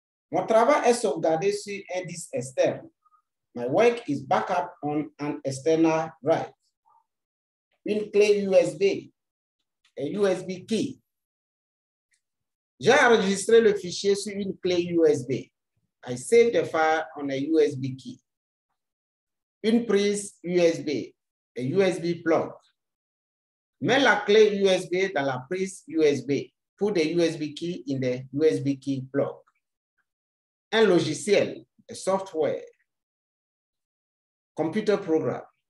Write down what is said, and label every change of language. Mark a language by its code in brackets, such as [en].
[fr] Mon travail est sauvegardé sur un disque externe. [en] My work is backup on an external drive. [fr] Une clé USB, [en] a USB key. [fr] J'ai enregistré le fichier sur une clé USB. [en] I saved the file on a USB key. [fr] Une prise USB, [en] a USB plug. [fr] Mets la clé USB dans la prise USB. [en] Put the USB key in the USB key plug. [fr] Un logiciel, [en] a software. Computer program.